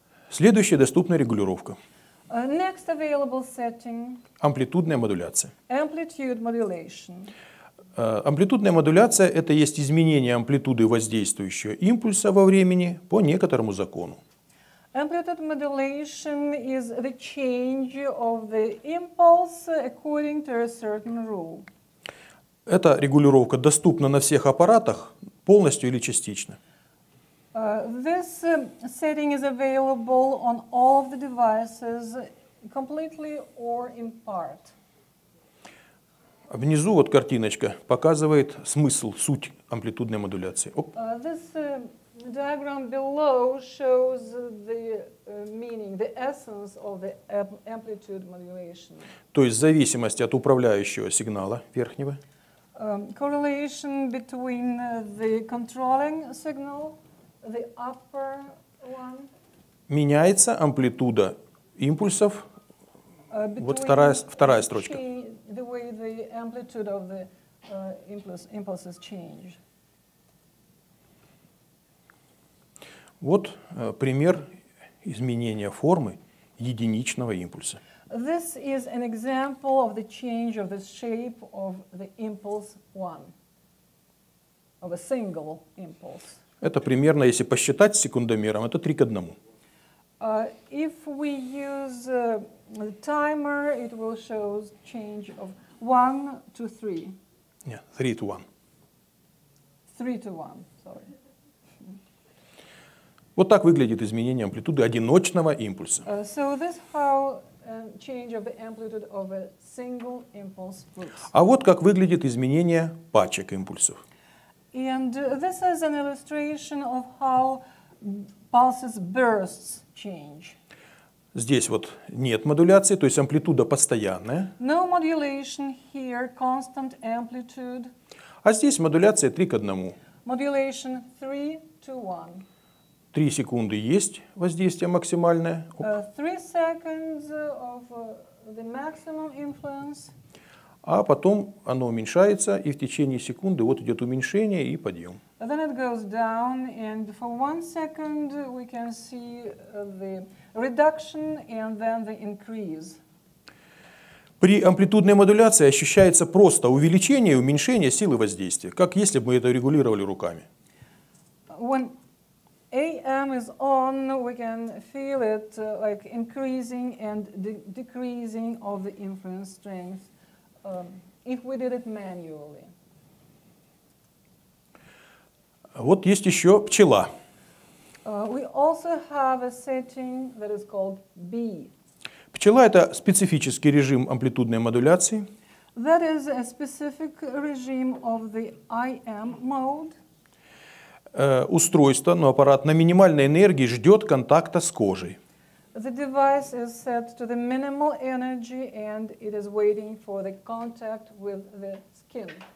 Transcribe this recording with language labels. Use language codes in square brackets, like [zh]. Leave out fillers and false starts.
[ru] Следующая доступная регулировка. [en] Next available setting. [ru] Амплитудная модуляция. [en] Amplitude modulation. [ru] Амплитудная модуляция — это есть изменение амплитуды воздействующего импульса во времени по некоторому закону. [en] Amplitude modulation is the change of the impulse according to a certain rule. [ru] Эта регулировка доступна на всех аппаратах полностью или частично. [en] This setting is available on all of the devices, completely or in part. [ru] Внизу вот картиночка показывает смысл, суть амплитудной модуляции. [en] This diagram below shows the meaning, the essence of the amplitude modulation. [ru] То есть в зависимости от управляющего сигнала верхнего. [en] Correlation between the controlling signal. The upper one. [ru] Меняется амплитуда импульсов. Вот вторая строчка. [en] The way the amplitude of the impulses change. [ru] Вот пример изменения формы единичного импульса. [en] This is an example of the change of the shape of the impulse one, of a single impulse. [ru] Это примерно, если посчитать секундомером, это 3:1. [en] If we use the timer, it will show change of 1 to 3. [ru] Нет, 3:1. [en] 3:1, sorry. [ru] Вот так выглядит изменение амплитуды одиночного импульса. [en] So this how change of the amplitude of a single impulse looks. [ru] А вот как выглядит изменение пачек импульсов. [en] And this is an illustration of how pulses bursts change. [ru] Здесь вот нет модуляции, то есть амплитуда постоянная. [en] No modulation here, constant amplitude. [ru] А здесь модуляция 3:1. [en] Modulation 3:1. [ru] 3 секунды есть воздействие максимальное. [en] 3 seconds of the maximum influence. [ru] а потом оно уменьшается, и в течение секунды вот идет уменьшение и подъем. [en] Then it goes down, and for 1 second we can see the reduction and then the increase. [ru] При амплитудной модуляции ощущается просто увеличение и уменьшение силы воздействия, как если бы мы это регулировали руками. [en] When AM is on, we can feel it like increasing and decreasing of the influence strength if we did it manually. [ru] Вот есть еще пчела. [en] We also have a setting that is called bee. [ru] Пчела — это специфический режим амплитудной модуляции. [en] That is a specific regime of the IM mode. [ru] Устройство, но аппарат на минимальной энергии ждет контакта с кожей. [en] The device is set to the minimal energy and it is waiting for the contact with the skin.